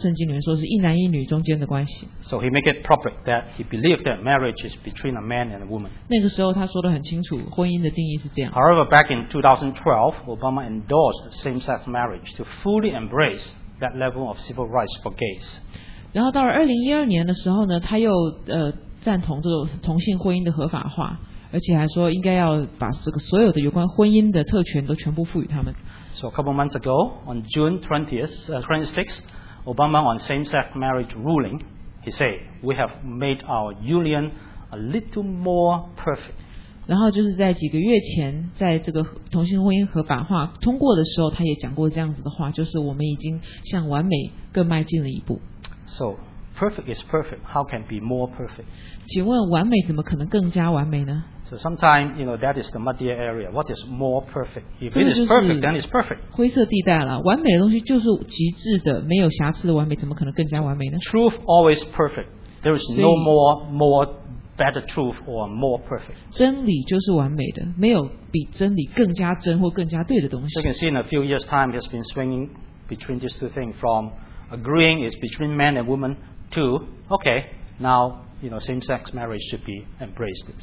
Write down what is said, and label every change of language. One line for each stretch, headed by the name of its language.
Chinese: 就是在2008年，那个时候他在选总统的时候，他曾经自称为他是基督徒，而且他认为，婚姻的定义就是按照圣经里面说是一男一女中间的关系。So
English: he make it public that he believed that marriage is between a man and a woman.
Chinese: 那个时候他说得很清楚，婚姻的定义是这样。However,
English: back in 2012, Obama endorsed same-sex marriage to fully embrace that level of civil rights for gays.
Chinese: 然后到了2012年的时候呢，他又赞同这个同性婚姻的合法化，而且还说应该要把这个所有的有关婚姻的特权都全部赋予他们。So
English: a couple months ago, on June 26th, Obama on same-sex marriage ruling, he said, "We have made our union a little more perfect."
Chinese: 然后就是在几个月前，在这个同性婚姻合法化通过的时候，他也讲过这样子的话，就是我们已经向完美更迈进了一步。
English: So perfect is perfect, how can be more perfect?
Chinese: 请问完美怎么可能更加完美呢?
English: So sometimes, you know, that is the muddy area. What is more perfect? If it is perfect, then it's perfect.
Chinese: 灰色地带了,完美的东西就是极致的,没有瑕疵的完美,怎么可能更加完美呢?
English: Truth always perfect. There is no more better truth or more perfect.
Chinese: 真理就是完美的,没有比真理更加真或更加对的东西。
English: You can see in a few years' time, it's been swinging between these two things from agreeing is between man and woman to, okay, now, you know, same-sex marriage should be embraced.